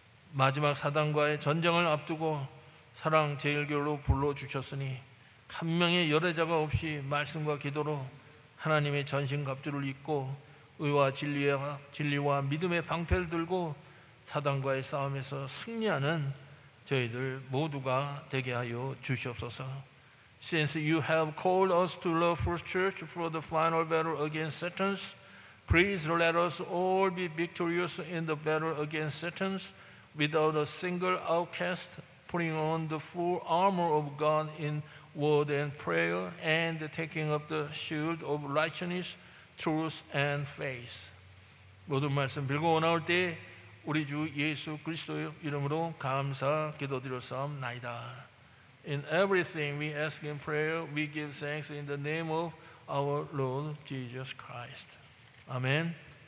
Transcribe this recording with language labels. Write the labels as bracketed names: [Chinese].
[Korean] 마지막 사단과의 전쟁을 앞두고 사랑 제일교로 불러주셨으니 한 명의 열애자가 없이 말씀과 기도로 하나님의 전신갑주를 입고 의와 진리와 믿음의 방패를 들고 사단과의 싸움에서 승리하는 저희들 모두가 되게 하여 주시옵소서. [English] Since you have called us to love First Church for the final battle against Satan, please let us all be victorious in the battle against Satan without a single outcast, putting on the full armor of God in word and prayer and taking up the shield of righteousness, truth and faith. [Korean] 모든 말씀 빌고 나올 때 우리 주 예수 그리스도의 이름으로 감사 기도드렸사옵나이다. [English] In everything we ask in prayer, we give thanks in the name of our Lord Jesus Christ. Amen.